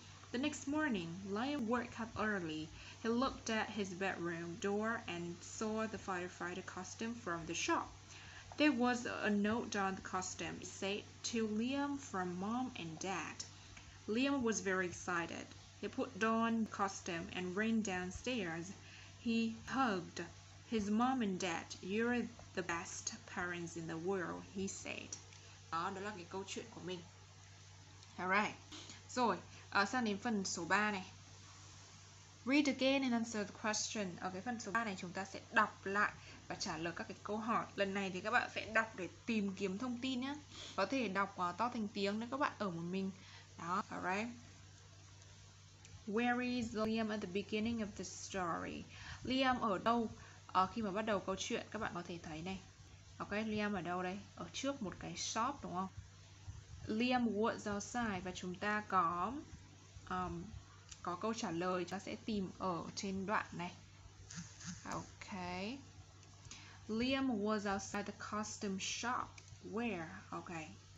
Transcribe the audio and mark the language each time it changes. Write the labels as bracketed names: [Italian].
[English] The next morning, Liam woke up early. He looked at his bedroom door and saw the firefighter costume from the shop. There was a note on the costume. It said, to Liam from mom and dad. Liam was very excited. He put on the costume and ran downstairs. He hugged his mom and dad. You're the best parents in the world, he said. [Vietnamese] Đó là cái câu chuyện của mình. [English] Alright. [Vietnamese] Rồi, sang đến phần số 3 này. [English] Read again and answer the question. [Vietnamese] Ở cái phần số 3 này chúng ta sẽ đọc lại và trả lời các cái câu hỏi. Lần này thì các bạn sẽ đọc để tìm kiếm thông tin nhé. Có thể đọc to thành tiếng nếu các bạn ở một mình. Đó, alright. [English] Where is Liam at the beginning of the story? [Vietnamese] Liam ở đâu? Ở khi mà bắt đầu câu chuyện, các bạn có thể thấy này. Ok, Liam ở đâu đây? Ở trước một cái shop đúng không? [English] Liam was outside [Vietnamese] và chúng ta có câu trả lời chúng ta sẽ tìm ở trên đoạn này. [English] Ok. Liam was outside the costume shop. Where? Ok.